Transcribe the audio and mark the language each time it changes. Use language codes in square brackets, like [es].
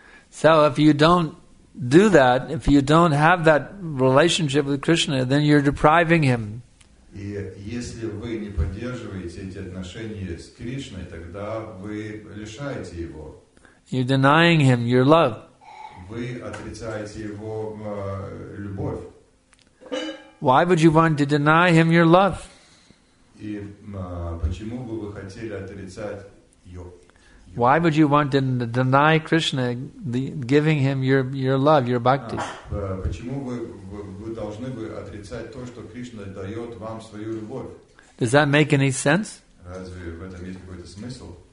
[en] So if you don't do that, if you don't have that relationship with Krishna, then you're depriving him. [ru] И если вы не поддерживаете эти отношения с Кришной, тогда вы лишаете его. [en] You're denying him your love. [ru] Вы отрицаете его любовь. [en] Why would you want to deny him your love? [ru] И почему бы вы хотели отрицать его? [en] Why would you want to deny Krishna giving him your love, your bhakti? [ru] Почему вы должны бы отрицать то, что Кришна дает вам свою любовь? [en] Does that make any sense? [ru] Разве в этом есть какой-то смысл?